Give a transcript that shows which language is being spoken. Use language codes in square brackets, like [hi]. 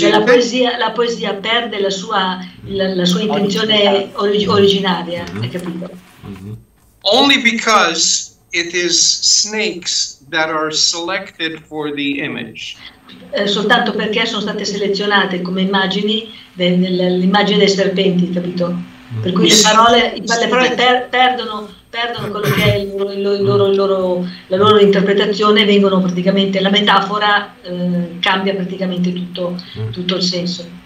[it] la poesia perde la sua intenzione originaria, hai capito? [en] Only because it is snakes that are selected for the image. [it] Soltanto perché sono state selezionate come immagini l'immagine dei serpenti, capito? Per cui le parole perdono quello che è la loro interpretazione, vengono praticamente la metafora cambia praticamente tutto il senso.